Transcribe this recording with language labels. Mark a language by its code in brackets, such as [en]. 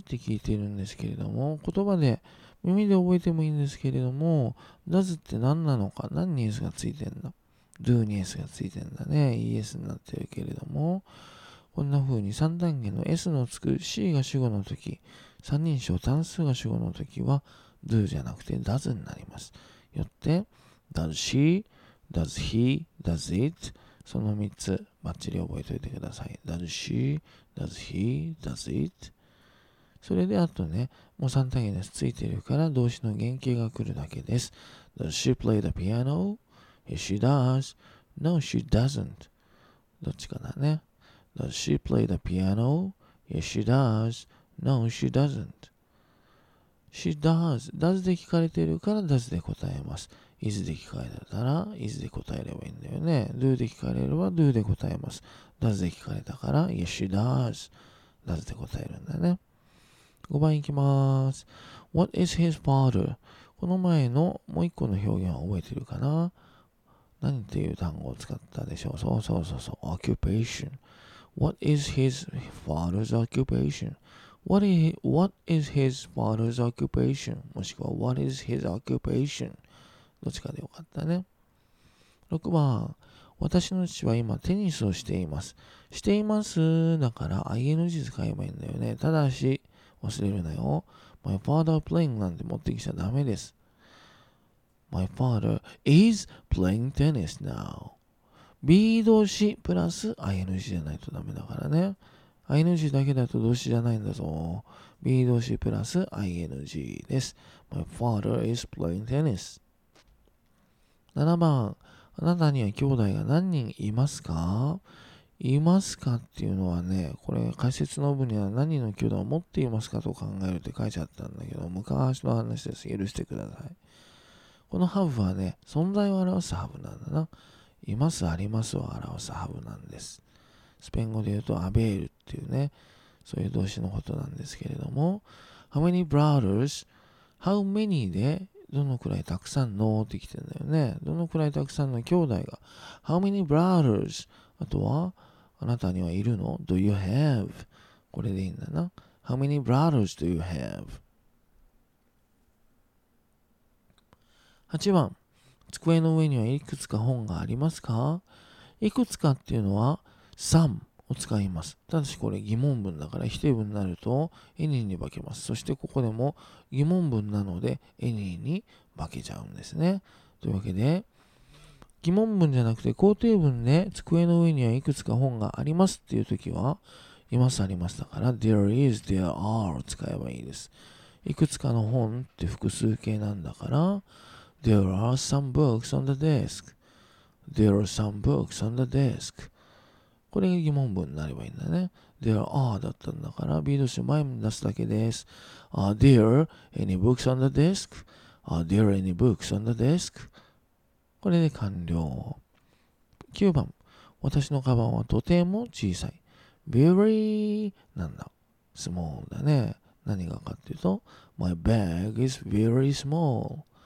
[ja] って聞いているんですけれども、言葉で、耳で覚えてもいいんですけれども、Does って何なのか、何ニュースがついてるの? Do に S がついてんだね。ES になってるけれども、こんな風に三単元の S のつく C が主語の時、三人称単数が主語の時は Do じゃなくて Does になります。 [en] よって、Does she? Does he? Does it? [ja] その3つ、バッチリ覚えておいてください。 [en] Does she? Does he? Does it? [ja] それであとね、もう三単元 S ついてるから動詞の原型が来るだけです。 [en] Does she play the piano? She does. No, she doesn't. [ja] どっちかなね。 [en] Does she play the piano? Yes, she does. No, she doesn't. She does. [ja] Does で聞かれているから does で答えます。Is で聞かれたら is で答えればいいんだよね。 Do で聞かれれば do で答えます。 Does で聞かれたから [en] yes, she does. [ja] Does で答えるんだね。 5番いきます。 [en] What is his father? [ja] この前のもう一個の表現は覚えてるかな?何っていう単語を使ったでしょう。 [en] そう。Occupation. What is his father's occupation? What is his father's occupation? [ja] もしくは [en] What is his occupation? [ja] どっちかでよかったね。6番。私の父は今テニスをしています。しています。だから ING 使えばいいんだよね。ただし、忘れるなよ。 [en] My father playing [ja] なんて持ってきちゃダメです。 [en] My father is playing tennis now. [ja] B 動詞プラス ING じゃないとダメだからね。 ING だけだと動詞じゃないんだぞ。B 動詞プラス ING です。 [en] My father is playing tennis. [ja] 7番。あなたには兄弟が何人いますか?いますかっていうのはね、これ解説の部には何の兄弟を持っていますかと考えるって書いちゃったんだけど、昔の話です。許してください。このハブはね、存在を表すハブなんだな。います、ありますを表すハブなんです。スペイン語で言うと、アベールっていうね、そういう動詞のことなんですけれども、 [en] How many brothers? [ja] How many で、どのくらいたくさんのってきてんだよね。どのくらいたくさんの兄弟が。 [en] How many brothers? [ja] あとは、あなたにはいるの ? [en] Do you have? [ja] これでいいんだな。 [en] How many brothers do you have? [ja] 8番、机の上にはいくつか本がありますか? いくつかっていうのは、some を使います。ただしこれ疑問文だから、否定文になると、any に化けます。そしてここでも疑問文なので、any に化けちゃうんですね。というわけで、疑問文じゃなくて、肯定文で、机の上にはいくつか本がありますっていうときは、います、ありますだから、there is, there are を使えばいいです。いくつかの本って複数形なんだから、 [en] There are some books on the desk. There are some books on the desk. [ja] これが疑問文になればいいんだね。There are だったんだから、B 動詞前に出すだけです。 [en] Are there any books on the desk? Are there any books on the desk? [ja] これで完了。9番。私のカバンはとても小さい。 Very なんだ。Small だね。何がかっていうと、 [en] My bag is very small.